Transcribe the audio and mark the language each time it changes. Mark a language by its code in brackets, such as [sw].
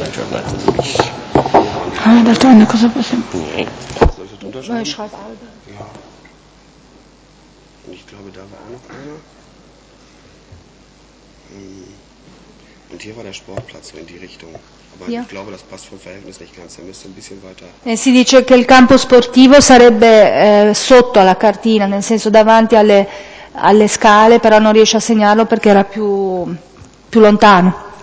[it] D'altronde cosa possiamo fare? [de] Ich glaube, da war auch noch einer. Und hier war der Sportplatz so in die Richtung. Aber ja. Ich glaube, das passt vom Verhältnis nicht ganz. Er müsste ein bisschen weiter. [it] Si dice che il campo sportivo sarebbe sotto alla cartina, nel senso davanti alle, alle scale, però non riesce a segnarlo perché era più, più lontano.